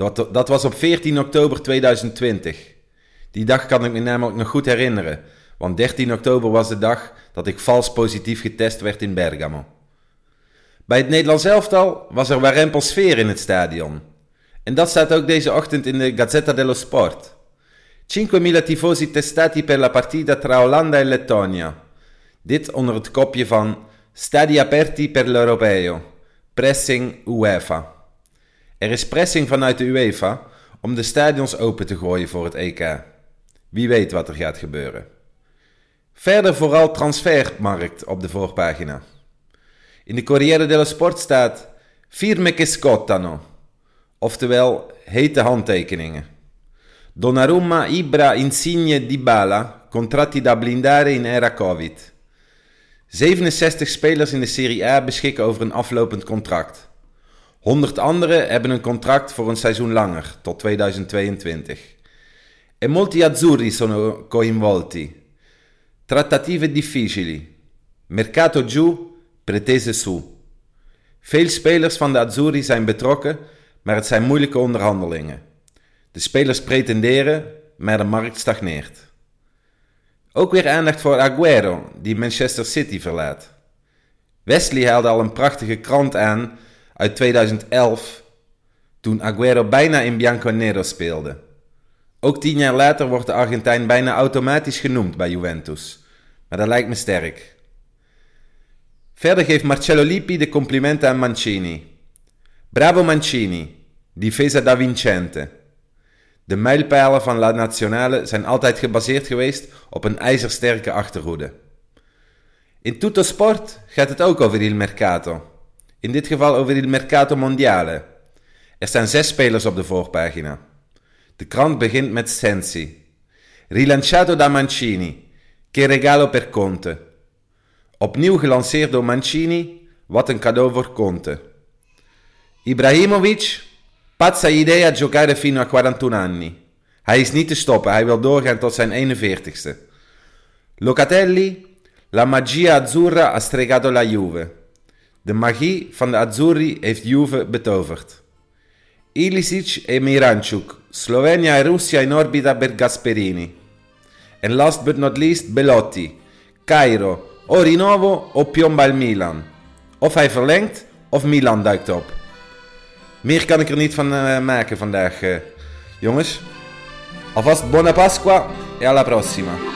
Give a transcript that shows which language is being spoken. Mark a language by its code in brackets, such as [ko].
[nl] Dat was op 14 oktober 2020. Die dag kan ik me namelijk nog goed herinneren, want 13 oktober was de dag dat ik vals positief getest werd in Bergamo. Bij het Nederlands elftal was er warempel sfeer in het stadion. En dat staat ook deze ochtend in de Gazzetta dello Sport. [it] 5.000 tifosi testati per la partita tra Olanda e Lettonia. [nl] Dit onder het kopje van [it] Stadi aperti per l'Europeo. [nl] Pressing UEFA. Er is pressing vanuit de UEFA om de stadions open te gooien voor het EK. Wie weet wat er gaat gebeuren. Verder vooral transfermarkt op de voorpagina. In de Corriere dello Sport staat [it] Firme che scottano. [nl] Oftewel, hete handtekeningen. [it] Donnarumma, Ibra, Insigne, Dybala, contratti da blindare in era Covid. [nl] 67 spelers in de Serie A beschikken over een aflopend contract. 100 anderen hebben een contract voor een seizoen langer, tot 2022. [it] E molti azzurri sono coinvolti. Trattative difficili. Mercato giù, pretese su. [nl] Veel spelers van de azzurri zijn betrokken, maar het zijn moeilijke onderhandelingen. De spelers pretenderen, maar de markt stagneert. Ook weer aandacht voor Aguero, die Manchester City verlaat. Wesley haalde al een prachtige krant aan uit 2011, toen Aguero bijna in Bianconero speelde. Ook 10 jaar later wordt de Argentijn bijna automatisch genoemd bij Juventus. Maar dat lijkt me sterk. Verder geeft Marcello Lippi de complimenten aan Mancini. [it] Bravo Mancini, difesa da vincente. [nl] De mijlpalen van La Nazionale zijn altijd gebaseerd geweest op een ijzersterke achterhoede. In Tutto Sport gaat het ook over il mercato. In dit geval over [it] il mercato mondiale. [nl] Er staan 6 spelers op de voorpagina. De krant begint met Sensi. [it] Rilanciato da Mancini, che regalo per Conte. [nl] Opnieuw gelanceerd door Mancini, wat een cadeau voor Conte. [it] Ibrahimovic, pazza idea giocare fino a 41 anni. [nl] Hij is niet te stoppen, hij wil doorgaan tot zijn 41ste. [it] Locatelli, la magia azzurra ha stregato la Juve. [nl] De magie van de Azzurri heeft Juve betoverd. [it] Ilicic e Miranchuk, Slovenia e Russia in orbita per Gasperini. [en] And last but not least, [it] Belotti. Cairo, o rinnovo o piomba al Milan. [nl] Of hij verlengt, of Milan duikt op. Meer kan ik er niet van maken vandaag, jongens. [it] Alvast buona Pasqua e alla prossima.